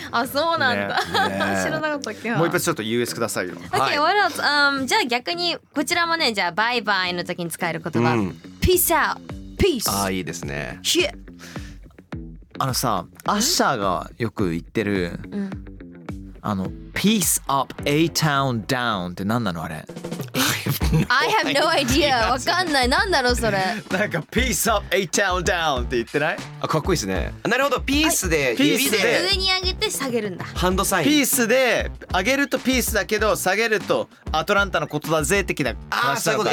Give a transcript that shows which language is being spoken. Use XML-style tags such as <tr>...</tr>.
<ja>あ、そうなんだ、ね、知らなかったっけ。もう一発ちょっと US くださいよ。 OK、はい、</ja> <en>What else?</en> <ja>じゃあ逆にこちらもね、じゃあバイバイの時に使える言葉、うん、</ja> <en>Peace out。 Peace。</en> <ja>あ、いいですね。あのさ、アッシャーがよく言ってる、うん、あの</ja> <en>Peace up A town down</en> <ja>って何なのあれ？</ja> <en>I have no idea。</en> <ja>わかんない、なんだろうそれ。なんか</ja> <en>Peace up A town down</en> <ja>って言ってない？あ、かっこいいですね。なるほど、ピースで、はい、指で上に上げて下げるんだ。ハンドサイン。ピースで上げるとピースだけど、下げるとアトランタのことだぜ的な。あ、そういうこと。</ja>